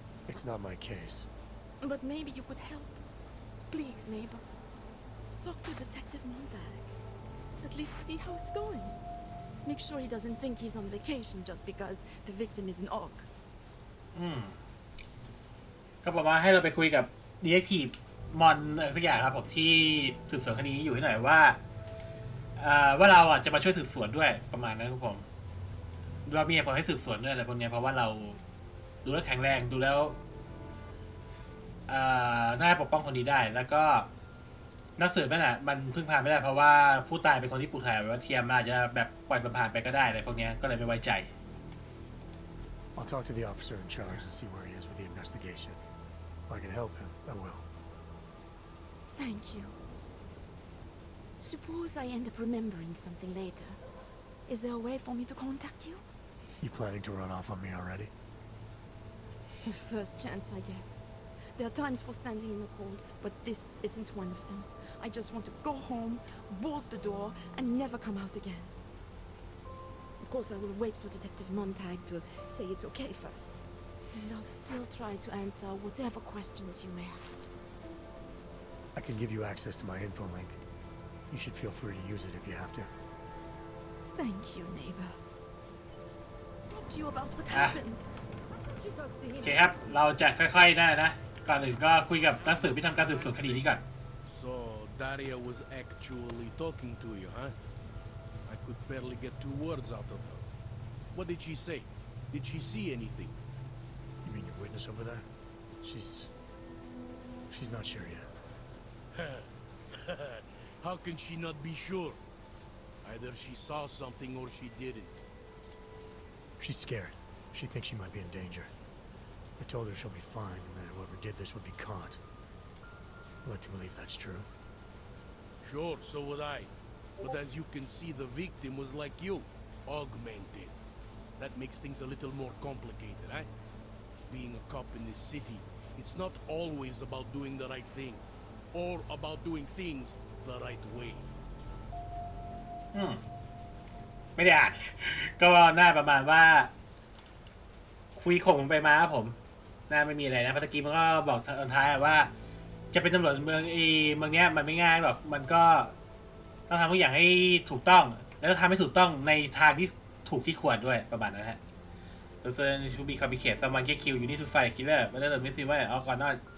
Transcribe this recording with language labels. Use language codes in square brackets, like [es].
[en] It's not my case. But maybe you could help. Please, neighbor. Talk to Detective Montag. At least see how it's going. Make sure he doesn't think he's on vacation just because the victim is an orc. [th] ก็บอกว่าให้เราไปคุยกับดีเอ็กทีฟมอนอะไรสักอย่างครับผมที่สืบสวนคดีอยู่ที่ไหนว่าเราอ่ะจะมาช่วยสืบสวนด้วยประมาณนั้นครับผมเรามีเหตุผลให้สืบสวนด้วยอะไรพวกนี้เพราะว่าเราดูแล้วแข็งแรงดูแล้วน่าปกป้องคนนี้ได้แล้วก็นักสืบนั่นแหละมันพึ่งพาไม่ได้เพราะว่าผู้ตายเป็นคนที่ปูถ่ายไว้ว่าเทียมอาจจะแบบปล่อยผ่านไปก็ได้อะไรพวกนี้ก็เลยไม่ไว้ใจ [en] I'll talk to the officer in charge and see where he is with the investigation. If I can help him, I will. Thank you. Suppose I end up remembering something later. Is there a way for me to contact you? You planning to run off on me already? The first chance I get. There are times for standing in the cold, but this isn't one of them. I just want to go home, bolt the door, and never come out again. Of course, I will wait for Detective Montag to say it's okay first. And I'll still try to answer whatever questions you may have. I can give you access to my info link. You should feel free to use it if you have to. Thank you, neighbor. Talk to you about what happened. [th] Okay, ครับเราจะค่อยๆนะก่อนอื่นก็คุยกับนักสืบที่ทำการสืบสวนคดีนี้ก่อน [en] So, Daria was actually talking to you, huh? I could barely get two words out of her. What did she say? Did she see anything? You mean your witness over there? She's not sure yet. How can she not be sure? Either she saw something or she didn't. She's scared. She thinks she might be in danger. I told her she'll be fine and that whoever did this would be caught. I'd like to believe that's true. Sure, so would I. But as you can see, the victim was like you, augmented. That makes things a little more complicated, eh? Being a cop in this city, it's not always about doing the right thing, or about doing things the right way. [th] ไม่ได้อ่านก็ว่าหน้าประมาณว่าคุยข่มไปมาครับผมหน้าไม่มีอะไรนะพัตกีมันก็บอกตอนท้ายว่าจะเป็นตำรวจเมืองเมืองเนี้ยมันไม่ง่ายหรอกมันก็ต้องทำทุกอย่างให้ถูกต้องแล้วทำให้ถูกต้องในทางที่ถูกที่ควรด้วยประมาณนั้นฮะเซอร์ชูบีคอมพิเคทซัมมันเกคิวยูนิสุไฟคิลเลอร์มาเลอร์มิสซิว่าเอาก่อนนอต